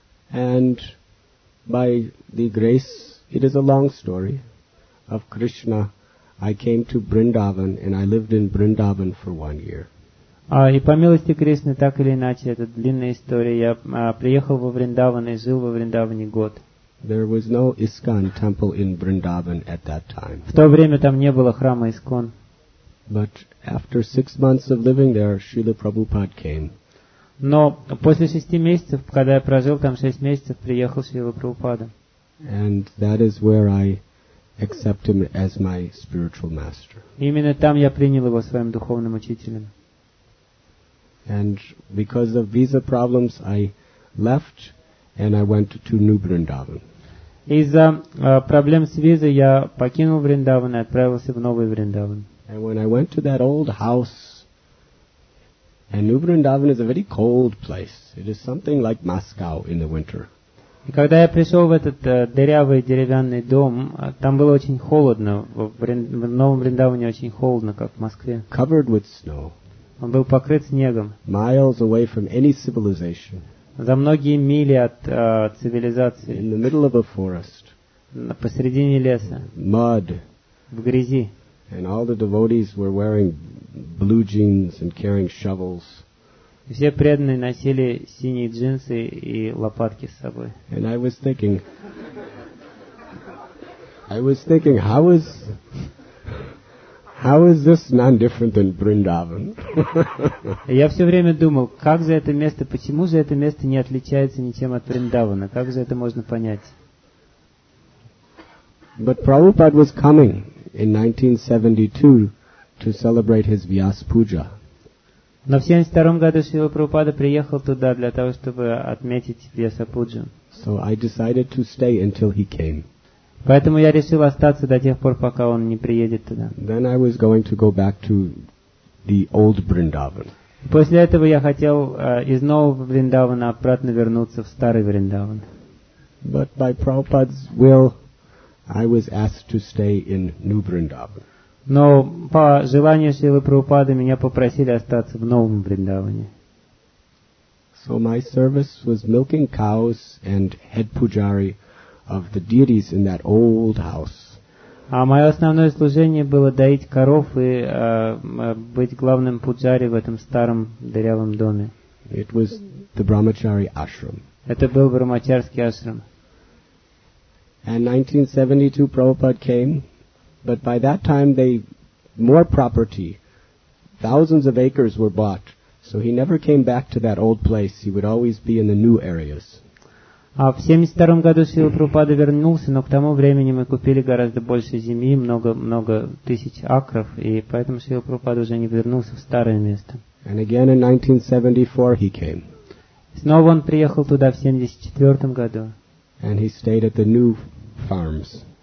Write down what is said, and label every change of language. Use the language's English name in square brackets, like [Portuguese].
[English] And by the grace, it is a long story, of Krishna, I came to Vrindavan and I lived in Vrindavan for 1 year. [Russian] И по милости Кришны, так или иначе, это длинная история, я приехал во Вриндаван и жил во Вриндаване год. [English] There was no ISKCON temple in Vrindavan at that time. [Russian] В то время там не было храма ИСКОН. [English] But after 6 months of living there, Srila Prabhupada came. [Russian] Но после 6 месяцев, когда я прожил там 6 месяцев, приехал Шрила Прабхупада. [English] And that is where I accept him as my spiritual master. [Russian] Именно там я принял его своим духовным учителем. [English] And because of visa problems, I left and I went to New Vrindavan. [Russian] Из-за проблем с визой я покинул Вриндаван и отправился в Новый Вриндаван. [English] And when I went to that old house, and New Vrindavan is a very cold place. It is something like Moscow in the winter. [Russian] И когда я пришел в этот дырявый деревянный дом, там было очень холодно. В Новом Вриндаване очень холодно, как в Москве. [English] Covered with snow. [Russian] Он был покрыт снегом. [English] Miles away from any civilization. [Russian] За многие мили от цивилизации. [English] In the middle of a forest. [Russian] Посредине леса. [English] Mud. [Russian] В грязи. [English] And all the devotees were wearing blue jeans and carrying shovels. [Russian] Все преданные носили синие джинсы и лопатки с собой. [English] And I was thinking, how is this non-different than Vrindavan? [Russian] Я все время думал, как за это место, почему же это место не отличается ничем от Вриндавана? Как же это можно понять? [English] But Prabhupada was coming in 1972 to celebrate his Vyas Puja. [Russian] Но в 72 году Шрила Прабхупада приехал туда для того, чтобы отметить Вьяса Пуджу. [English] So I decided to stay until he came. [Russian] Поэтому я решил остаться до тех пор, пока он не приедет туда. [English] Then I was going to go back to the old Vrindavan. [Russian] После этого я хотел из нового Вриндавана обратно вернуться в старый Вриндаван. [English] But by Prabhupada's will, I was asked to stay in New Vrindavan. [Russian] Но по желанию Шрилы Прабхупады меня попросили остаться в Новом Вриндаване. [English] So my service was milking cows and head pujari of the deities in that old house. [Russian] А мое основное служение было доить коров и быть главным пуджари в этом старом дырявом доме. [English] It was the brahmachari ashram. [Russian] Это был брахмачарский ашрам. [English] And 1972 Prabhupada came, but by that time they more property, thousands of acres were bought, so he never came back to that old place. He would always be in the new areas. [Russian] А в 72 году Шрила Прабхупада вернулся, но к тому времени мы купили гораздо больше земли, много тысяч акров, и поэтому Шрила Прабхупада уже не вернулся в старое место. [English] And again in 1974 he came. [Russian] Снова он приехал туда в 74 году. [English] And he stayed at the new farms.